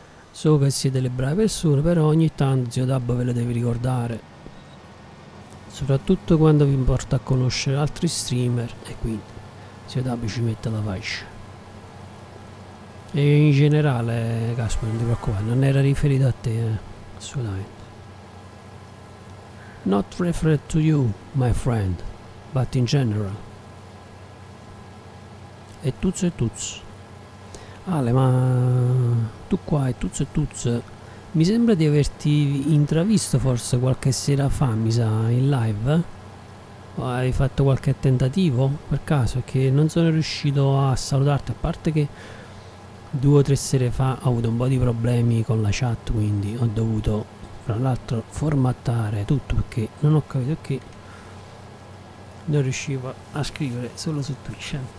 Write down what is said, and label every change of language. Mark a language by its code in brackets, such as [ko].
[it] So che siete delle brave persone, però ogni tanto zio Dabba ve le deve ricordare. Soprattutto quando vi porta a conoscere altri streamer, e quindi zio Dabba ci mette la faccia. E in generale, Gaspar, non ti preoccupare, non era riferito a te, assolutamente. [en] Not referred to you, my friend, but in general. [it] E tuzzo e tuzzo. Ale, ma tu qua e tuzzo e tuzzo. Mi sembra di averti intravisto forse qualche sera fa, mi sa, in live. Hai fatto qualche tentativo, per caso, che non sono riuscito a salutarti, a parte che 2 o 3 sere fa ho avuto un po' di problemi con la chat, quindi ho dovuto, fra l'altro, formattare tutto perché non ho capito che non riuscivo a scrivere solo su Twitch.